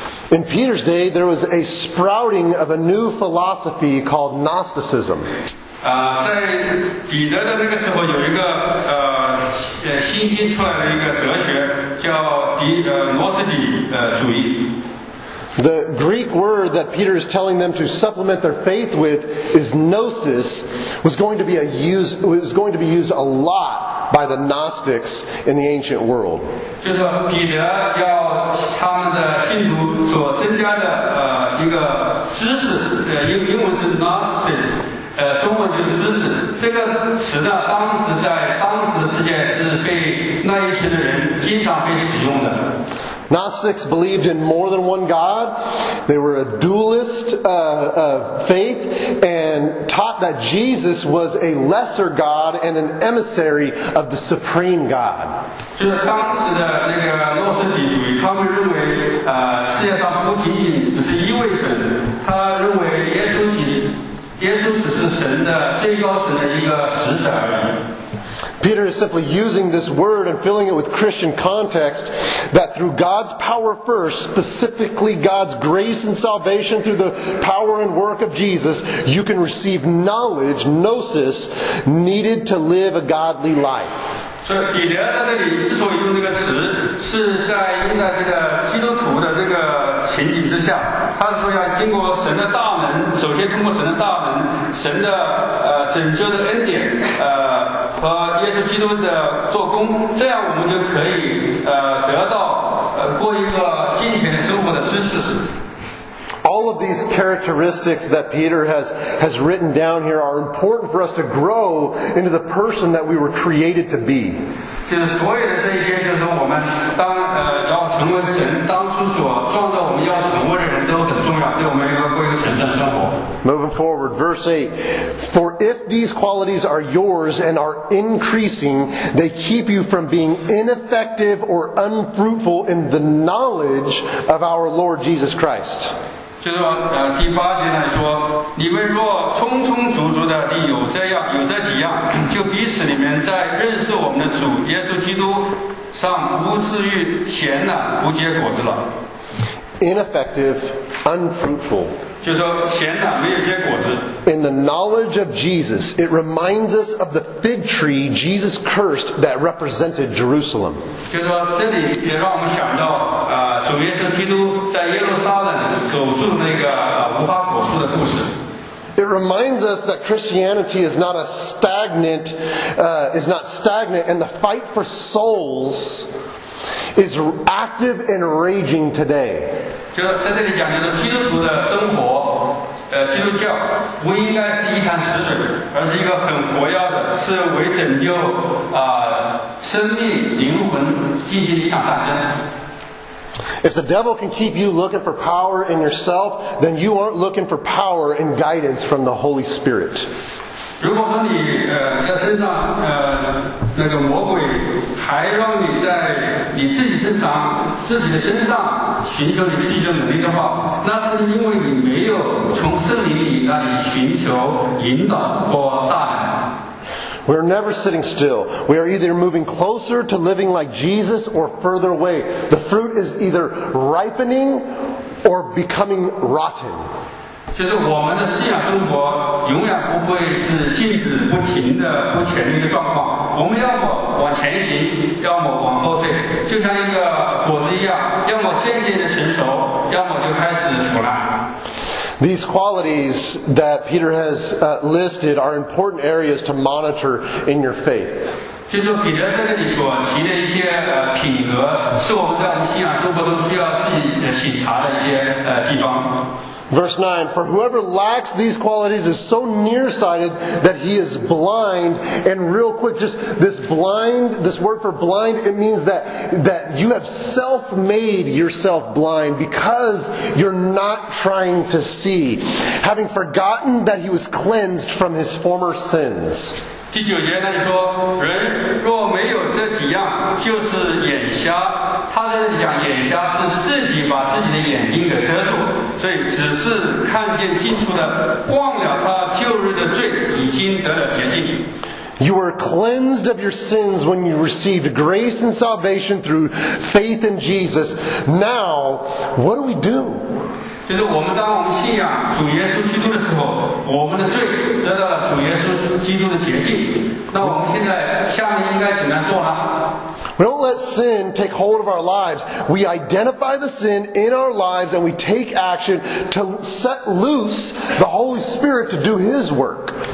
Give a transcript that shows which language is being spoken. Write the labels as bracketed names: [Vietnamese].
[English] In Peter's day, there was a sprouting of a new philosophy called Gnosticism. [Chinese] 在彼得的那个时候，有一个新兴出来的一个哲学叫诺斯底主义。 [English] The Greek word that Peter is telling them to supplement their faith with is gnosis, was going to be used a lot by the Gnostics in the ancient world. [Chinese] 就是彼得要他们的信徒所增加的一个知识，英文是 gnosis， 中文就是知识。这个词呢，当时之间是被那一些的人经常被使用的。 [English] Gnostics believed in more than one God. They were a dualist of faith and taught that Jesus was a lesser God and an emissary of the supreme God. [Chinese] 就是当时的那个诺斯底主义，他们认为世界上不仅仅只是一位神，他认为耶稣只是神的最高神的一个使者而已。 [English] Peter is simply using this word and filling it with Christian context that through God's power first, specifically God's grace and salvation through the power and work of Jesus, you can receive knowledge, gnosis, needed to live a godly life. [Chinese] So, Peter 在这里之所以用这个词，是在用在这个基督徒的这个情景之下，他是说要经过神的大能，首先通过神的大能，神的拯救的恩典，和耶稣基督的做工，这样我们就可以得到过一个敬虔生活的知识。 [English] All of these characteristics that Peter has written down here are important for us to grow into the person that we were created to be. [Chinese] 就是所有的这些，就是我们当要成为神当初所创造我们要成为的人都很重要，对我们要过一个神圣生活。 [English] Moving forward, verse 8. For if these qualities are yours and are increasing, they keep you from being ineffective or unfruitful in the knowledge of our Lord Jesus Christ. [Chinese] 就是说，第八节来说，你们若充充足足的地有这几样，就彼此里面在认识我们的主耶稣基督上不至于闲懒不结果子了。 [English] Ineffective, unfruitful. [Chinese] 就说闲懒没有结果子。 [English] In the knowledge of Jesus, it reminds us of the fig tree Jesus cursed that represented Jerusalem. [Chinese] 就说这里也让我们想到，主耶稣基督在耶路撒冷走住那个无花果树的故事。 [English] It reminds us that Christianity is not stagnant, and the fight for souls is active and raging today. [Chinese] 就在这里讲，就是基督徒的生活基督教不应该是一潭死水，而是一个很活跃的，是为拯救生命灵魂进行的一场战争。 [English] If the devil can keep you looking for power in yourself, then you aren't looking for power and guidance from the Holy Spirit. [Chinese] 如果说你在身上那个魔鬼还让你在你自己身上自己的身上寻求你自己的能力的话，那是因为你没有从圣灵里那里寻求引导或大胆。 [English] We are never sitting still. We are either moving closer to living like Jesus or further away. The fruit is either ripening or becoming rotten. [Chinese] 就是我们的信仰生活永远不会是静止不停的不前进的状况。我们要么往前行，要么往后退，就像一个果子一样，要么渐渐的成熟，要么就开始腐烂。 [English] These qualities that Peter has listed are important areas to monitor in your faith. [Chinese] 就是彼得在这里所提的一些品格，是我们在信仰生活中需要自己审查的一些地方。 [English] Verse 9, for whoever lacks these qualities is so nearsighted that he is blind. And real quick, just this blind, this word for blind, it means that you have self-made yourself blind because you're not trying to see, having forgotten that he was cleansed from his former sins. [Chinese] 第九节他说，人若没有这几样，就是眼瞎。他在讲眼瞎是自己把自己的眼睛给遮住，所以只是看见清楚的，忘了他旧日的罪，已经得了洁净。 [English] You were cleansed of your sins when you received grace and salvation through faith in Jesus. Now, what do we do? [Chinese] 就是我们当我们信仰主耶稣基督的时候，我们的罪得到了主耶稣基督的洁净。那我们现在下面应该怎么样做呢？ [English] We don't let sin take hold of our lives. We identify the sin in our lives and we take action to set loose the Holy Spirit to do His work.